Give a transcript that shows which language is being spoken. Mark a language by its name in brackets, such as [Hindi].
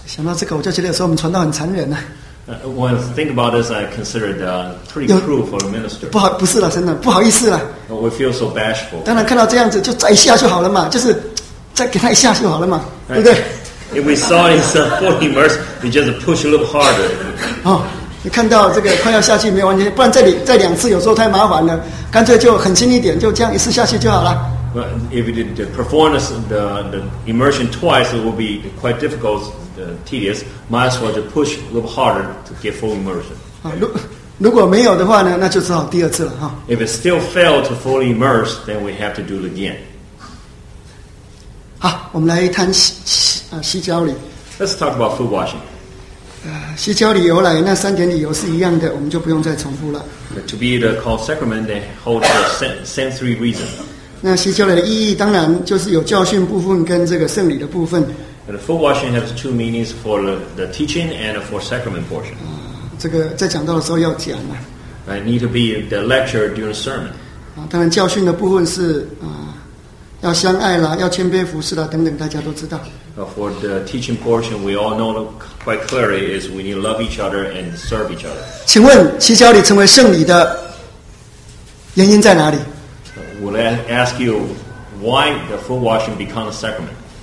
[Chinese] 想到这个，我就觉得有时候我们传道很残忍呢。 [English] When I think about this, I consider it pretty cruel for a minister. [Chinese] 不好，不是了，真的不好意思了。 [English] We feel so bashful. [Chinese] 当然看到这样子，就再一下就好了嘛，就是再给他一下就好了嘛， [English] right. [Chinese] 对不对 [English] ？If we saw it's fully immersed, we just push a little harder. [Chinese] 你看到这个快要下去没有完全，不然再两次有时候太麻烦了，干脆就狠心一点，就这样一次下去就好了。 [English] But if you did the performance the immersion twice, it will be quite difficult, tedious. Might as well to push a little harder to get full immersion. [Chinese] 如果没有的话呢，那就只好第二次了哈。 [English] If it still failed to fully immerse, then we have to do it again. [Chinese] 好，我们来谈洗脚礼。 [English] Let's talk about foot washing. [Chinese] 洗脚礼由来那三点理由是一样的，我们就不用再重复了。 [English] To be the called sacrament, they hold the same three reasons. [Chinese] 那洗脚礼的意义当然就是有教训部分跟这个圣礼的部分。 [English] The foot washing has two meanings for the teaching and for sacrament portion. [Chinese] 这个在讲到的时候要讲嘛。 [English] I need to be the lecture during sermon. [Chinese] 当然教训的部分是要相爱啦，要谦卑服侍啦，等等，大家都知道。 [English] For the teaching portion, we all know quite clearly is we need to love each other and serve each other. [Chinese] 请问洗脚礼成为圣礼的原因在哪里？ [English] Will I ask you why the foot washing becomes a sacrament?